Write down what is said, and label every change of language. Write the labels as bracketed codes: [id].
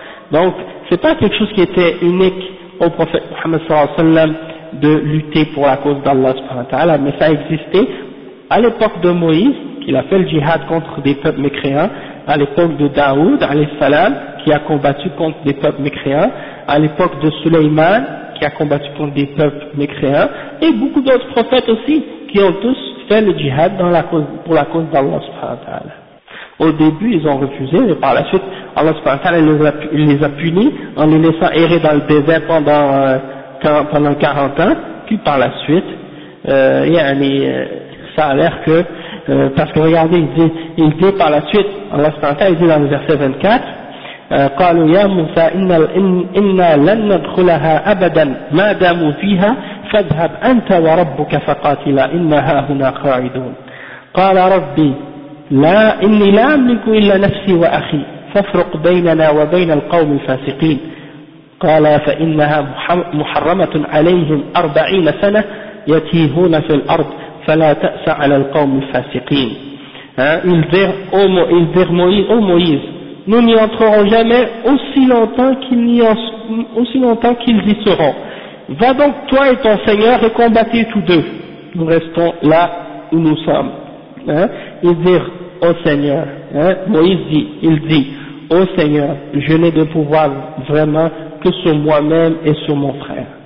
[fr] Donc, c'est pas quelque chose qui était unique au prophète Mohammed sallallahu alayhi wa sallam de lutter pour la cause d'Allah subhanahu wa ta'ala, mais ça existait à l'époque de Moïse, qu'il a fait le djihad contre des peuples mécréants, à l'époque de Daoud, alayhi salam, qui a combattu contre des peuples mécréants, à l'époque de Suleyman, qui a combattu contre des peuples mécréants, et beaucoup d'autres prophètes aussi, qui ont tous fait le djihad pour la cause d'Allah subhanahu wa ta'ala. Au début, ils ont refusé, mais par la suite, Allah subhanahu wa ta'ala, il les a punis, en les laissant errer dans le désert pendant 40 ans, puis par la suite, ça a l'air que, parce que regardez, il dit par la suite, Allah subhanahu wa ta'ala, il dit dans le verset 24, [ar] قالوا يا موسى إنا لن ندخلها أبدا ما داموا فيها فاذهب أنت وربك فقاتلا إنا هاهنا قاعدون قال ربي لا إني لا أملك إلا نفسي وأخي فافرق بيننا وبين القوم الفاسقين قال فإنها محرمة عليهم 40 سنة يتيهون في الأرض فلا تأس على القوم الفاسقين [fr] إلذير موئيز Nous n'y entrerons jamais aussi longtemps qu'ils y seront. Va donc toi et ton Seigneur et combattez tous deux. Nous restons là où nous sommes. Ils dirent, ô Seigneur, Moïse dit, ô Seigneur, je n'ai de pouvoir vraiment que sur moi-même et sur mon frère.